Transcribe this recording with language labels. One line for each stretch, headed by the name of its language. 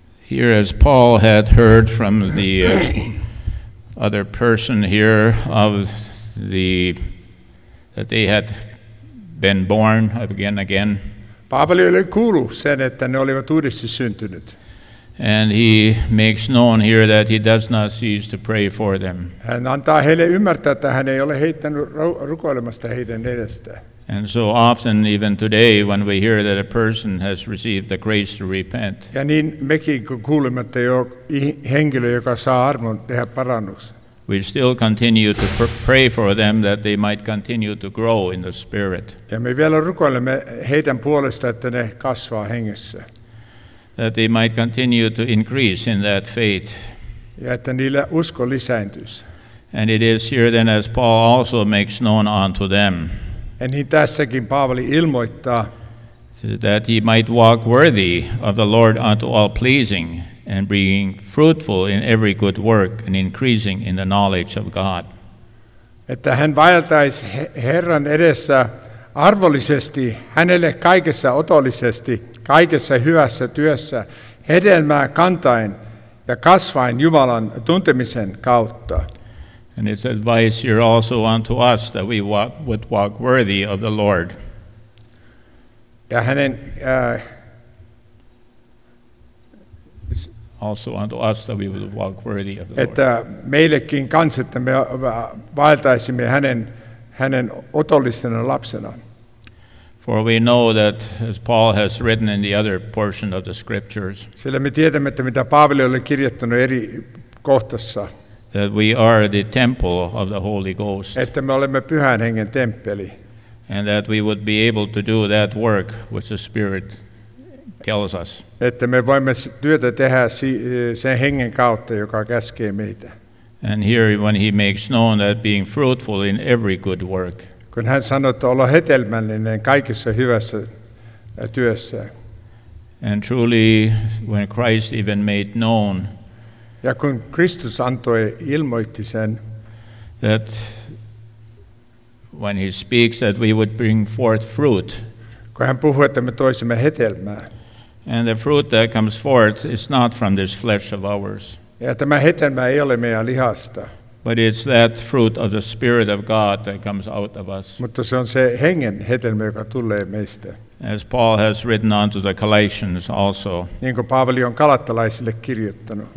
English: Here, as Paul had heard from the other person here of the that they had been born again.
Finnish: Paavali oli kuullut sen, että ne olivat uudesti syntynyt.
English: And he makes known here that he does not cease to pray for them.
Finnish: Hän antaa heille ymmärtää, että hän ei ole heittänyt rukoilemasta heidän edestään.
English: And so often, even today, when we hear that a person has received the grace to repent,
Finnish: ja niin mekin kuulemme, että jo henkilö, joka saa armon tehdä parannuksen,
English: we still continue to pray for them that they might continue to grow in the Spirit.
Finnish: Ja me vielä rukoilemme heidän puolesta, että ne kasvaa hengessä.
English: That they might continue to increase in that faith.
Finnish: Ja että niillä usko lisääntyisi.
English: And it is here then, as Paul also makes known unto them, and
Finnish: niin tässäkin Paavali ilmoittaa,
English: that he might walk worthy of the Lord unto all pleasing, and being fruitful in every good work, and increasing in the knowledge of God.
Finnish: Että hän vaeltaisi Herran edessä arvollisesti, hänelle kaikessa otollisesti, kaikessa hyvässä työssä, hedelmää kantain ja kasvain Jumalan tuntemisen kautta.
English: And it's advice here also unto us that we walk, would walk worthy of the Lord.
Finnish: Ja hänen,
English: also unto us that we would walk worthy of the Lord.
Finnish: Että meillekin kans, että me vaeltaisimme hänen otollisena lapsena.
English: For we know that, as Paul has written in the other portion of the scriptures,
Finnish: sillä me tiedämme, että mitä Paavali oli kirjoittanut eri kohtassa,
English: that we are the temple of the Holy Ghost,
Finnish: että me olemme Pyhän Hengen temppeli,
English: and that we would be able to do that work which the Spirit tells us,
Finnish: että me voimme työtä tehdä sen Hengen kautta, joka käskee meitä.
English: And here, when he makes known that being fruitful in every good work,
Finnish: kun hän sanoo, että olla hedelmällinen kaikessa hyvässä työssä.
English: And truly, when Christ even made known,
Finnish: ja kun Kristus antoi ilmoitti sen,
English: that when he speaks that we would bring forth fruit,
Finnish: kun hän puhuu, että me toisimme hedelmää,
English: and the fruit that comes forth is not from this flesh of ours,
Finnish: ja tämä hedelmä ei ole meidän lihasta,
English: but it's that fruit of the Spirit of God that comes out of us.
Finnish: Mutta se on se Hengen hedelmä, joka tulee meistä.
English: As Paul has written unto the Galatians also,
Finnish: niin kuin Paavali on galattalaisille kirjoittanut,